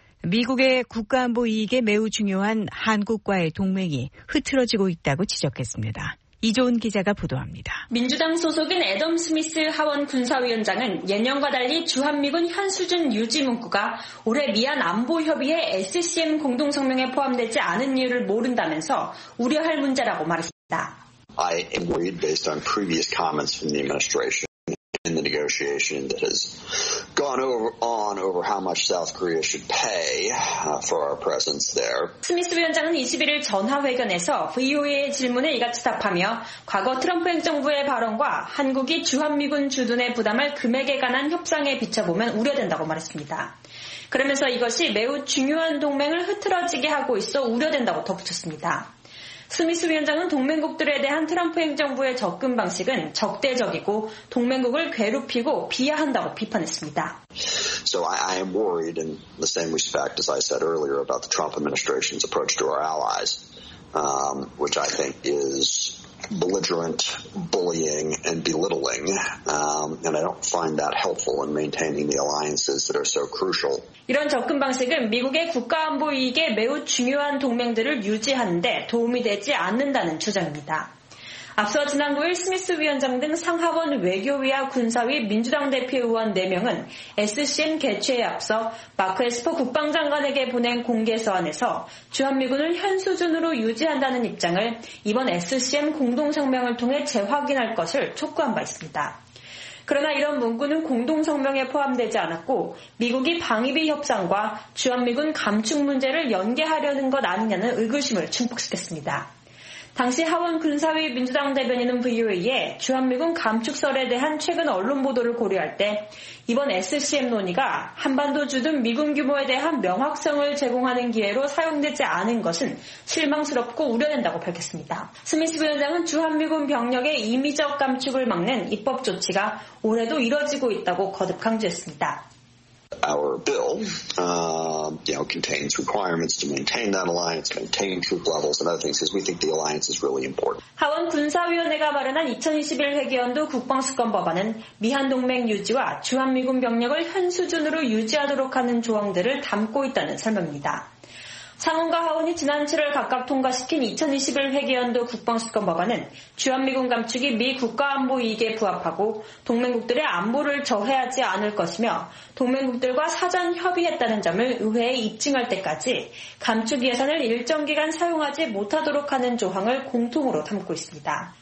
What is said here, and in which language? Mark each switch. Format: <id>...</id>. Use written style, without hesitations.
<ko>미국의 국가안보 이익에 매우 중요한 한국과의 동맹이 흐트러지고 있다고 지적했습니다. 이조은 기자가 보도합니다. 민주당 소속인 애덤 스미스 하원 군사위원장은 예년과 달리 주한미군 현 수준 유지 문구가 올해 미한 안보협의회 SCM 공동성명에 포함되지 않은 이유를 모른다면서 우려할 문제라고 말했습니다.</ko> <en>I am worried based on previous comments from the administration in the negotiation that has gone over how much South Korea should pay for our presence there.</en> <ko>스미스 위원장은 21일 전화회견에서 VOA의 질문에 이같이 답하며 과거 트럼프 행정부의 발언과 한국이 주한미군 주둔의 부담을 금액에 관한 협상에 비춰보면 우려된다고 말했습니다. 그러면서 이것이 매우 중요한 동맹을 흐트러지게 하고 있어 우려된다고 덧붙였습니다. 스미스 위원장은 동맹국들에 대한 트럼프 행정부의 접근 방식은 적대적이고 동맹국을 괴롭히고 비하한다고 비판했습니다.</ko> <en>So I am worried in the same respect as I said earlier about the Trump administration's approach to our allies, which I think is belligerent, bullying, and belittling, and I don't find that helpful in maintaining the alliances that are so crucial.</en> <ko>이런 접근 방식은 미국의 국가안보 이익에 매우 중요한 동맹들을 유지하는데 도움이 되지 않는다는 주장입니다. 앞서 지난 9일 스미스 위원장 등 상하원 외교위와 군사위 민주당 대표 의원 4명은 SCM 개최에 앞서 마크 에스퍼 국방장관에게 보낸 공개서안에서 주한미군을 현 수준으로 유지한다는 입장을 이번 SCM 공동성명을 통해 재확인할 것을 촉구한 바 있습니다. 그러나 이런 문구는 공동성명에 포함되지 않았고 미국이 방위비 협상과 주한미군 감축 문제를 연계하려는 것 아니냐는 의구심을 증폭시켰습니다. 당시 하원 군사위 민주당 대변인은 VOA에 주한미군 감축설에 대한 최근 언론 보도를 고려할 때 이번 SCM 논의가 한반도 주둔 미군 규모에 대한 명확성을 제공하는 기회로 사용되지 않은 것은 실망스럽고 우려된다고 밝혔습니다. 스미스 부위원장은 주한미군 병력의 임의적 감축을 막는 입법 조치가 올해도 이뤄지고 있다고 거듭 강조했습니다.</ko> <en>Our bill, you know, contains requirements to maintain that alliance, maintain troop levels and other things, because we think the alliance is really important.</en> <ko>하원 군사위원회가 마련한 2021 회기연도 국방수권 법안은 미한 동맹 유지와 주한미군 병력을 현 수준으로 유지하도록 하는 조항들을 담고 있다는 설명입니다. 상원과 하원이 지난 7월 각각 통과시킨 2021 회기연도 국방수권 법안은 주한미군 감축이 미 국가안보 이익에 부합하고 동맹국들의 안보를 저해하지 않을 것이며 동맹국들과 사전 협의했다는 점을 의회에 입증할 때까지 감축 예산을 일정 기간 사용하지 못하도록 하는 조항을 공통으로 담고 있습니다.</ko>